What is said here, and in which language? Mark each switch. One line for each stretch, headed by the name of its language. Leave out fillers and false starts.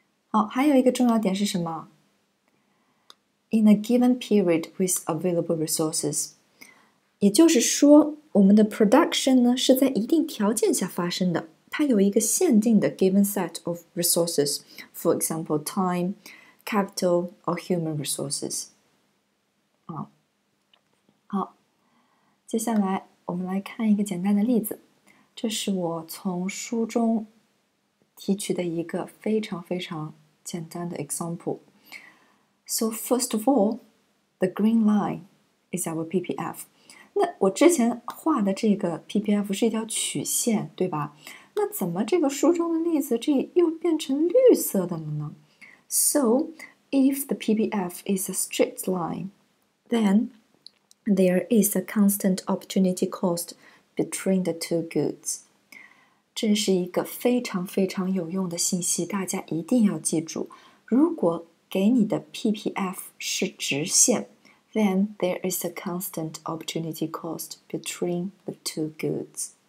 Chinese: 好，还有一个重要点是什么？
English: In a given period with available resources，
Chinese: 也就是说，我们的 production 呢是在一定条件下发生的，它有一个限定的
English: given set of resources，for example time、capital or human resources。
Chinese: 接下来我们来看一个简单的例子，这是我从书中提取的一个非常非常简单的 example.
English: So first of all, the green line is our PPF.
Chinese: 那我之前画的这个 PPF 是一条曲线，对吧？那怎么这个书中的例子这又变成绿色的了呢？
English: So if the PPF is a straight line, then there is a constant opportunity cost between the two goods.
Chinese: 这是一个非常非常有用的信息，大家一定要记住。如果给你的 PPF 是直线，
English: then there is a constant opportunity cost between the two goods.